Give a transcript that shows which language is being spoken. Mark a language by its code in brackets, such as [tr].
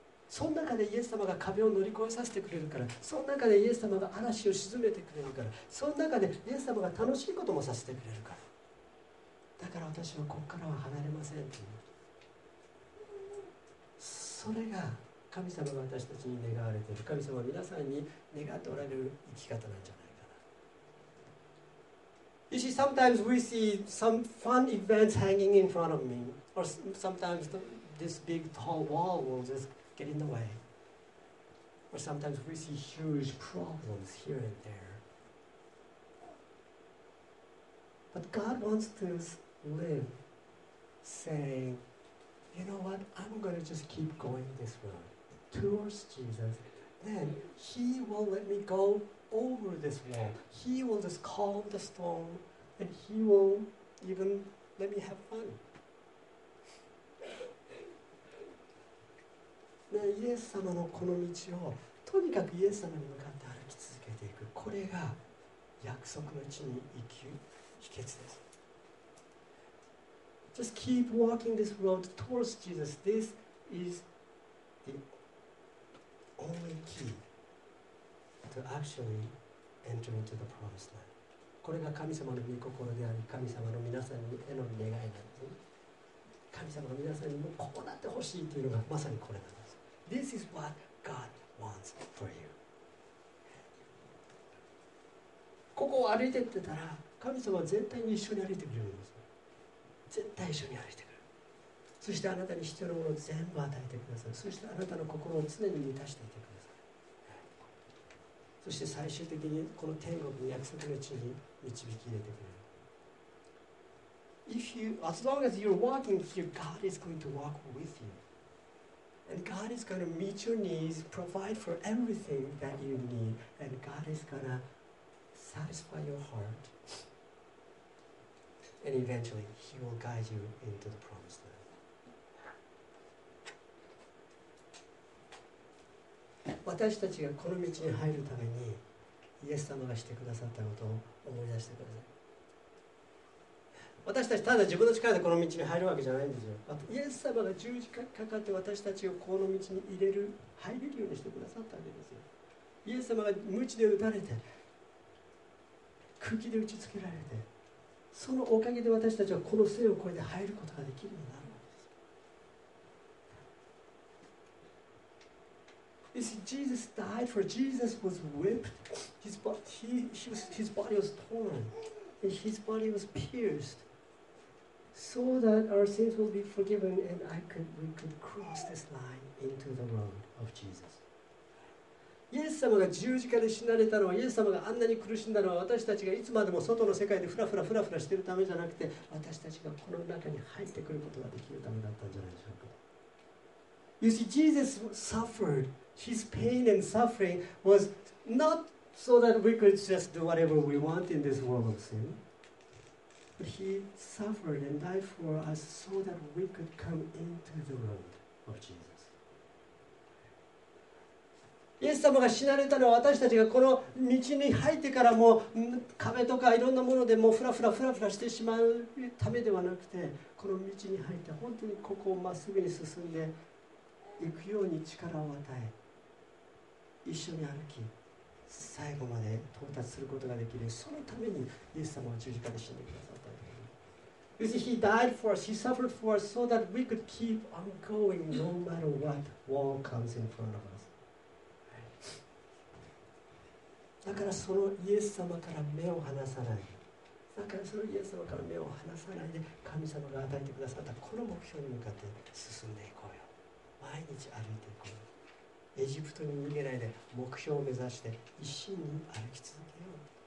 [ja] その中でイエス様が壁を乗り越えさせてくれるから、その中でイエス様が嵐を沈めてくれるから、その中でイエス様が楽しいこともさせてくれるから。だから私はここからは離れませんという。それが神様が私たちに願われている、神様は皆さんに願っておられる生き方なんじゃないかな。 [en] You see, sometimes we see some fun events hanging in front of me, or sometimes this big tall wall will just get in the way, or sometimes we see huge problems here and there. But God wants toLive saying, you know what, I'm going to just keep going this road towards Jesus. Then he will let me go over this wall. He will just calm the storm and he will even let me have fun. [ja] イエス様のこの道をとにかくイエス様に向かって歩き続けていく。これが約束の地に行く秘訣です。 [en] Just keep walking this road towards Jesus. This is the only key to actually enter into the promised land. [ja] これが神様の御心であり、神様の皆さんへの願いなんです。神様の皆さんにもこうなってほしいというのがまさにこれなんです。 [en] This is what God wants for you. [ja] ここを歩いていってたら、神様は絶対に一緒に歩いてくれるんです。絶対一緒に歩いてくる。そしてあなたに必要なものを全部与えてください。そしてあなたの心を常に満たしていてください。そして最終的にこの天国の約束の地に導き入れてくれる。 [en] If you, as long as you're walking here, God is going to walk with you. And God is going to meet your needs, provide for everything that you need, and God is going to satisfy your heart. And eventually, he will guide you into the promised land. [ja] 私たちがこの道に入るためにイエス様がしてくださったことを思い出してください。私たちただ自分の力でこの道に入るわけじゃないんですよ。イエス様が十字架にかかって私たちをこの道に入れる、入れるようにしてくださったわけですよ。イエス様が鞭で打たれて、釘で打ちつけられて、そのおかげで私たちはこの聖を越えて入ることができるようになるんです。 [en] You see, Jesus died for Jesus was whipped. His body was torn. And his body was pierced. So that our sins will be forgiven and we could cross this line into the road of Jesus. [ja] イエス様が十字架で死なれたのは、イエス様があんなに苦しんだのは、私たちがいつまでも外の世界でフラフラフラフラしているためじゃなくて、私たちがこの中に入ってくることができるためだったんじゃないでしょうか。 [en] You see, Jesus suffered. His pain and suffering was not so that we could just do whatever we want in this world of sin. But he suffered and died for us so that we could come into the road of Jesus. [ja] イエス様が死なれたのは、私たちがこの道に入ってからも壁とかいろんなものでもうフラフラフラフラしてしまうためではなくて、この道に入って本当にここをまっすぐに進んでいくように力を与え、一緒に歩き最後まで到達することができる、そのためにイエス様は十字架で死んでくださった。 [en] You see, he died for us, he suffered for us, so that we could keep on going no matter what wall comes in front of us. [ja] だからそのイエス様から目を離さない。だからそのイエス様から目を離さないで、神様が与えてくださったこの目標に向かって進んでいこうよ。毎日歩いていこうよ。エジプトに逃げないで、目標を目指して一心に歩き続けよう。